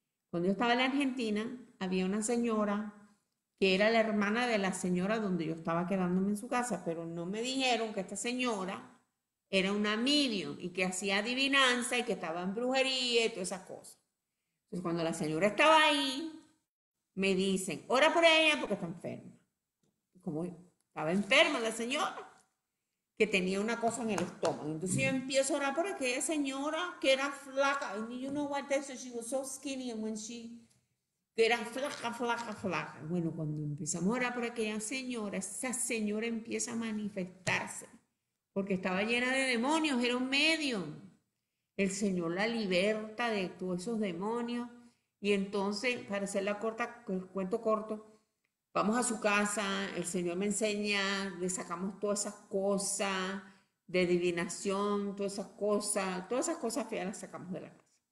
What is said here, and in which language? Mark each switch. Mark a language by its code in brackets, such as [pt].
[es] Cuando yo estaba en Argentina, había una señora que era la hermana de la señora donde yo estaba quedándome en su casa, pero no me dijeron que esta señora era una medium y que hacía adivinanza y que estaba en brujería y todas esas cosas. Entonces, cuando la señora estaba ahí, me dicen, ora por ella porque está enferma. Como estaba enferma la señora, que tenía una cosa en el estómago. Entonces, yo empiezo a orar por aquella señora que era flaca. [en] And you know what, that's so she was so skinny and when she... [es] Era flaca, flaca, flaca. Bueno, cuando empezamos a orar por aquella señora, esa señora empieza a manifestarse porque estaba llena de demonios, era un medium. El Señor la liberta de todos esos demonios y entonces, para hacer el cuento corto, vamos a su casa, el Señor me enseña, le sacamos todas esas cosas de adivinación, todas esas cosas feas las sacamos de la casa.